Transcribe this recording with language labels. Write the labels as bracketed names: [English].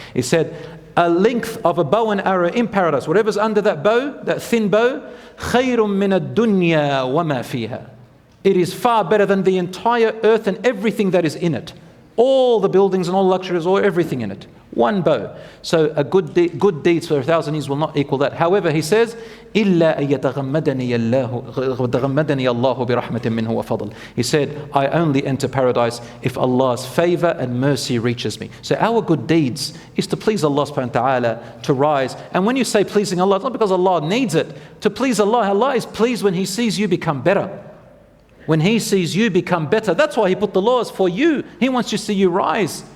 [English] He said, a length of a bow and arrow in paradise, whatever's under that bow, that thin bow, [Arabic] خَيْرٌ مِّنَ الدُّنْيَا وَمَا فِيهَا. [English] It is far better than the entire earth and everything that is in it. All the buildings and all luxuries, all everything in it. One bow. So a good deeds for 1,000 years will not equal that. However, he says, [Arabic] إِلَّا أَن يَتَغَمَّدَنِيَ اللَّهُ بِرَحْمَةٍ مِّنْهُ وَفَضْلٍ. [English] He said, I only enter paradise if Allah's favor and mercy reaches me. So our good deeds is to please Allah subhanahu wa ta'ala, to rise. And when you say pleasing Allah, it's not because Allah needs it. To please Allah, Allah is pleased when he sees you become better. When he sees you become better, that's why he put the laws for you. He wants to see you rise.